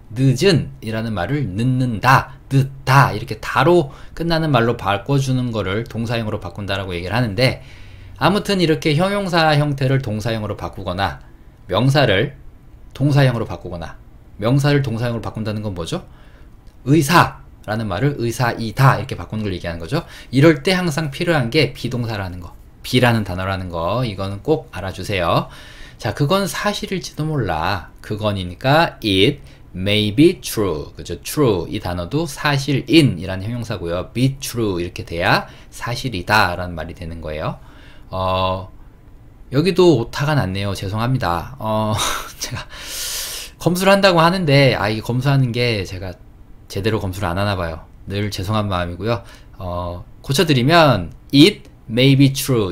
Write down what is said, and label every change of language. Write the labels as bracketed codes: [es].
[ko] 늦은이라는 말을 늦는다, 늦다 이렇게 다로 끝나는 말로 바꿔주는 거를 동사형으로 바꾼다라고 얘기를 하는데 아무튼 이렇게 형용사 형태를 동사형으로 바꾸거나 명사를 동사형으로 바꾸거나 명사를 동사형으로 바꾼다는 건 뭐죠? 의사라는 말을 의사이다 이렇게 바꾸는 걸 얘기하는 거죠. 이럴 때 항상 필요한 게 비동사라는 거, 비라는 단어라는 거 이거는 꼭 알아주세요. 자, 그건 사실일지도 몰라. 그건이니까 [en] it may be true. [ko] 그죠? true. 이 단어도 사실인이라는 형용사고요. [en] be true. [ko] 이렇게 돼야 사실이다라는 말이 되는 거예요. 여기도 오타가 났네요. 죄송합니다. 제가 검수를 한다고 하는데, 아, 이게 검수하는 게 제가 제대로 검수를 안 하나 봐요. 늘 죄송한 마음이고요. 고쳐드리면, [en] it may be true.